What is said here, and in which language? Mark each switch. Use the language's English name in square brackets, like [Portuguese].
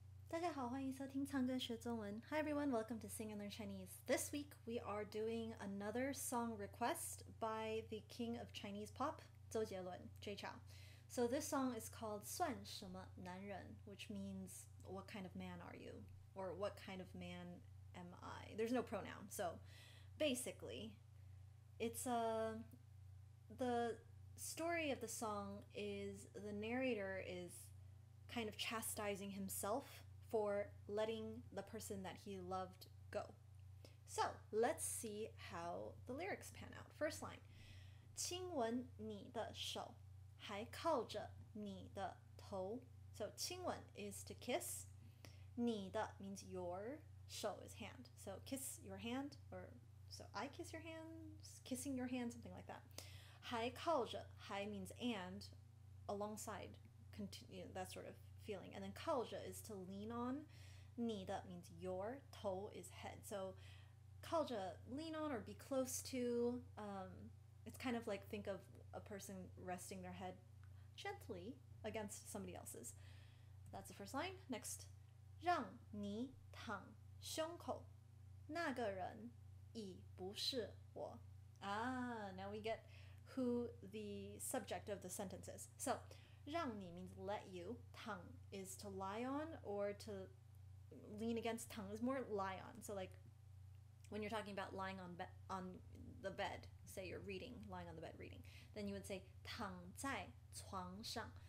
[Chinese] 大家好，欢迎收听唱歌学中文。 [English] Hi everyone, welcome to Sing and Learn Chinese. This week, we are doing another song request by the king of Chinese pop, 周杰伦, Jay Chou. So this song is called [Chinese] 算什么男人, [English] which means what kind of man are you? Or what kind of man am I? There's no pronoun. So basically, it's the story of the song is the narrator is kind of chastising himself for letting the person that he loved go. So, let's see how the lyrics pan out. First line, [Chinese] 亲吻你的手，还靠着你的头. [English] So, 亲吻 is to kiss, 你的 means your, 手 is hand. So, kiss your hand, or so I kiss your hand, kissing your hand, something like that. 还靠着,还 means and, alongside, continue, that sort of feeling. And then 靠着 is to lean on, 你的 means your, 头 is head. So 靠着, lean on or be close to, it's kind of like think of a person resting their head gently against somebody else's. That's the first line. Next, [Chinese] 让你躺胸口,那个人已不是我. [English] Ah, now we get who the subject of the sentence is. So 让你 means let you, 躺 is to lie on or to lean against, 躺 is more lie on. So like when you're talking about lying on the bed, say you're reading, lying on the bed reading, then you would say [Chinese] 躺在床上.